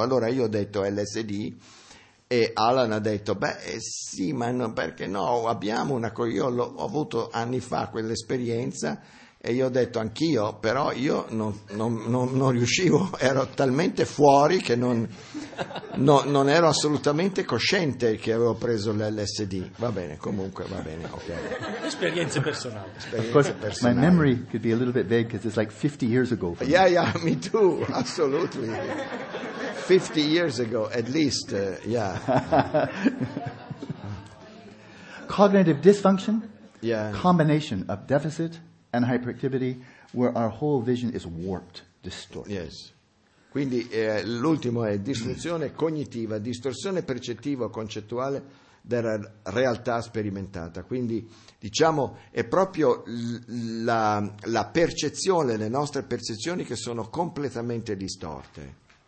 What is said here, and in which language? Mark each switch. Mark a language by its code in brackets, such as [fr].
[it] Allora io ho detto LSD e Alan ha detto, beh sì, ma no, perché no, abbiamo una, io ho avuto anni fa quell'esperienza e io ho detto anch'io, però io non riuscivo, ero talmente fuori che non ero assolutamente cosciente che avevo preso l'LSD. Va bene, comunque va bene, ok. Esperienze personali. [en] Of course, my memory could be a little bit vague because it's like 50 years ago. Yeah, me too, absolutely. 50 years ago, at least, yeah. Cognitive dysfunction, yeah. Combination of deficit and hyperactivity, where our whole vision is warped, distorted. Yes. [it] Quindi l'ultimo è distorsione cognitiva, distorsione percettiva o concettuale della realtà sperimentata. Quindi, diciamo, è proprio la percezione, le nostre percezioni che sono completamente distorte.